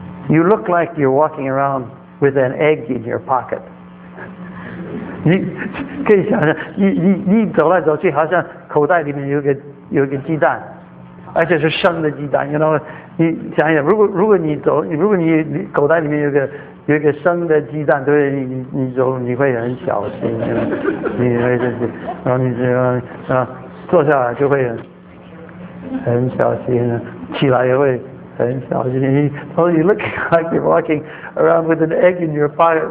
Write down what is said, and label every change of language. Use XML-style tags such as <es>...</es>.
<en>You look like you're walking around with an egg in your pocket。</en> <zh>你可以想象，你走来走去，好像口袋里面有个鸡蛋，而且是生的鸡蛋。你想想，如果你口袋里面有一个生的鸡蛋，对不对？你走你会很小心，你会就是，然后你这样啊坐下来就会很小心，起来也会</zh> <en>same child. You look like you're walking around with an egg in your pocket.</en>